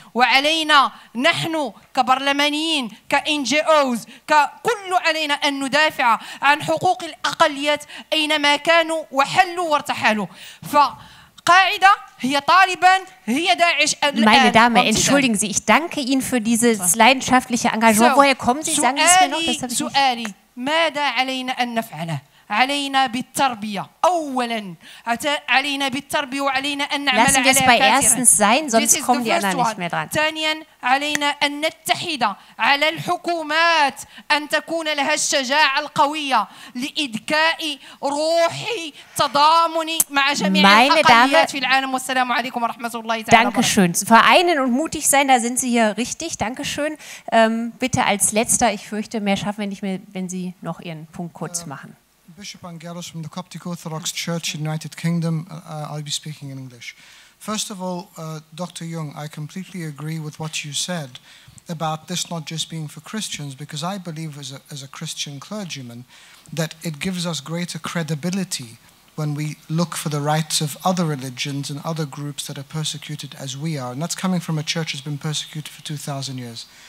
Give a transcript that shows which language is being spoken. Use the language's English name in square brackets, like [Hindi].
[Arabic] وعلينا نحن كبرلمانيين كNGOs ككل علينا أن ندافع عن حقوق الأقليات أينما كانوا وحلوا وارتحلوا. فقاعدة هي طالبان هي داعش الآن. [German] Meine Dame, entschuldigen Sie, ich danke Ihnen für dieses leidenschaftliche Engagement. So, woher kommen Sie? Sagen Sie mir noch, das habe ich nicht. [Arabic] ماذا علينا أن نفعله؟ علينا بالتربية أولاً. علينا بالتربية وعلينا أن نعمل على كثيراً. ثانياً علينا أن نتحد على الحكومات أن تكون لها الشجاعة القوية لإدكاء روح تضامن مع جميع الأقليات في العالم. والسلام عليكم ورحمة الله تعالى. [German] Danke schön. Vereinen und mutig sein, da sind Sie hier richtig. Danke schön. Bitte als letzter, ich fürchte, mehr schaffen wir nicht mehr, wenn Sie noch Ihren Punkt kurz machen. [English] Bishop Angelos from the Coptic Orthodox Church in the United Kingdom. I'll be speaking in English. First of all, Dr. Jung, I completely agree with what you said about this not just being for Christians, because I believe as a Christian clergyman that it gives us greater credibility when we look for the rights of other religions and other groups that are persecuted as we are. And that's coming from a church that's been persecuted for 2,000 years.